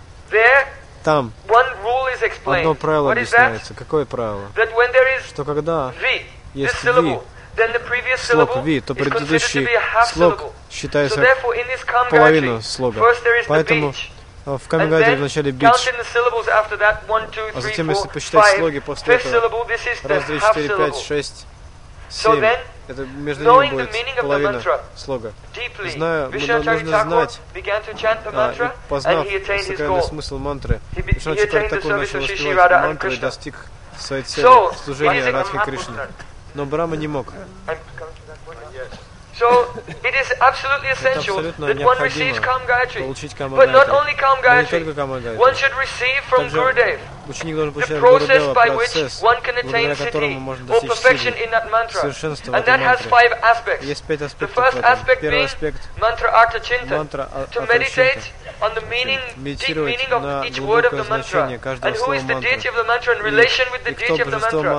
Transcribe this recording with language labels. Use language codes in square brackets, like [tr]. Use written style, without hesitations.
[en] There, [ru] там, [en] one rule is explained. What is that? [ru] Какое правило? [en] That when there is V, this syllable, then the previous syllable is considered to be a half syllable. So therefore, in this Kam Gayatri, first there is the beach. [ru] В Камгаде вначале бич, а затем, если посчитать слоги после этого, раз, два, четыре, пять, шесть, семь, это между ними будет половина слога. Зная, нужно знать, и познав сакральный смысл мантры, Вишна Чакраварти Такур начал воспевать мантры и достиг своей цели служения Радхе Кришне. Но Брама не мог. [en] So it is absolutely essential that one receives Kam Gayatri. But not only Kam Gayatri, one should receive from Gurudev the process by which one can attain siddhi or perfection in that mantra. And that has five aspects. The first aspect being mantra artha chintan, to meditate on the meaning, deep meaning of each word of the mantra, and who is the deity of the mantra in relation with the deity of the mantra.